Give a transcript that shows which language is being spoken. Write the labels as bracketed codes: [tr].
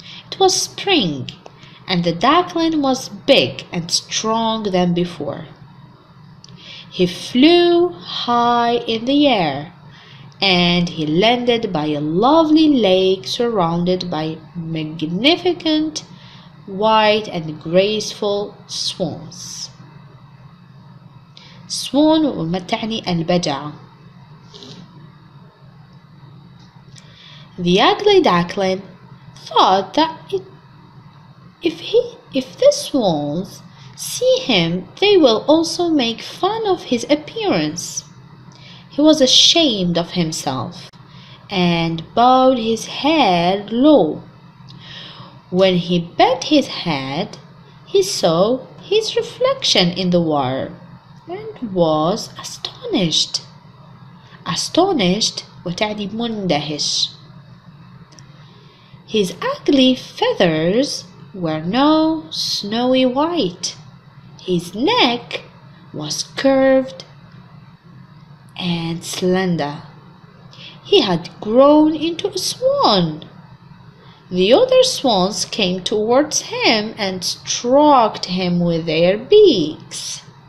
[en] It was spring, and the duckling was big and strong than before. He flew high in the air, and he landed by a lovely lake surrounded by magnificent white and graceful swans. [ar] Swan وما تعني البجعة. [en] The ugly duckling thought that if the swans see him, they will also make fun of his appearance. He was ashamed of himself and bowed his head low. When he bent his head, he saw his reflection in the water and was astonished. [ar] Astonished وتعني مندهش. [en] His ugly feathers were no snowy white. His neck was curved and slender. He had grown into a swan. The other swans came towards him and stroked him with their beaks.